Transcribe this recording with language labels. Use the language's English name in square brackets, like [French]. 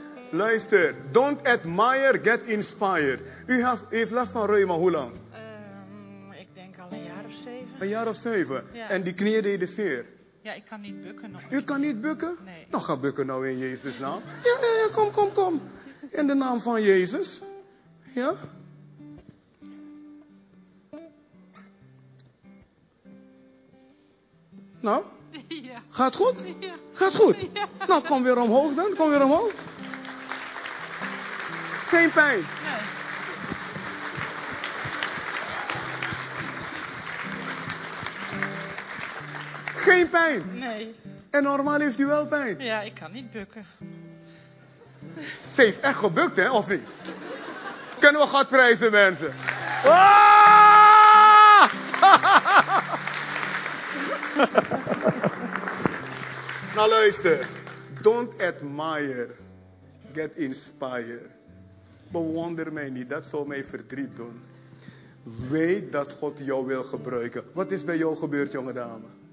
[Dutch] Luister, [English] don't admire, get inspired. [Dutch] U heeft last van reuma, hoe lang? Ik denk al 1 jaar of 7. 1 jaar of 7? Ja. En die knieën deden zeer? Ja, ik kan niet bukken nog. U kan niet bukken? Nee. Nou, ga bukken nou in Jezus' naam. Ja, kom. In de naam van Jezus. Ja? Nou? Ja. Gaat goed? Ja. Gaat goed? Ja. Nou, kom weer omhoog dan. Kom weer omhoog. Geen pijn. Nee. Geen pijn? Nee. En normaal heeft u wel pijn? Ja, ik kan niet bukken. Ze heeft echt gebukt, hè, of niet? Kunnen we God prijzen, mensen? Ah! Nou luister, [English] don't admire, get inspired. [Dutch] Bewonder mij niet, dat zou mij verdriet doen. Weet dat God jou wil gebruiken. Wat is bij jou gebeurd, jonge dame?